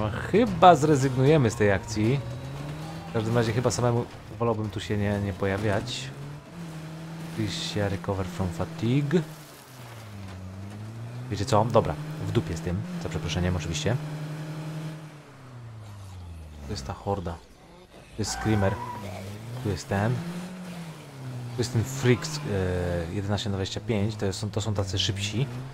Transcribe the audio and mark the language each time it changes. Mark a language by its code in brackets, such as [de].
[pl] Chyba zrezygnujemy z tej akcji. W każdym razie chyba samemu wolałbym tu się nie pojawiać. [en] Please recover from fatigue. [pl] Wiecie co? Dobra, w dupie z tym, za przeproszeniem oczywiście. Tu jest ta horda. Tu jest screamer. Tu jest ten. Tu jest ten Freaks 1125, to są tacy szybsi.